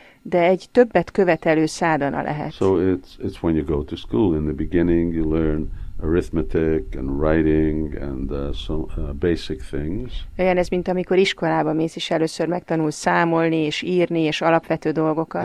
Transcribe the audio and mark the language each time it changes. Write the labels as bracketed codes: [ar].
[hu] De egy többet követelő sadhana lehet. [en] So it's when you go to school. In the beginning you learn arithmetic and writing and basic things. [hu] Olyan ez, mint amikor iskolába mész, és először megtanul számolni és írni és alapvető dolgokat.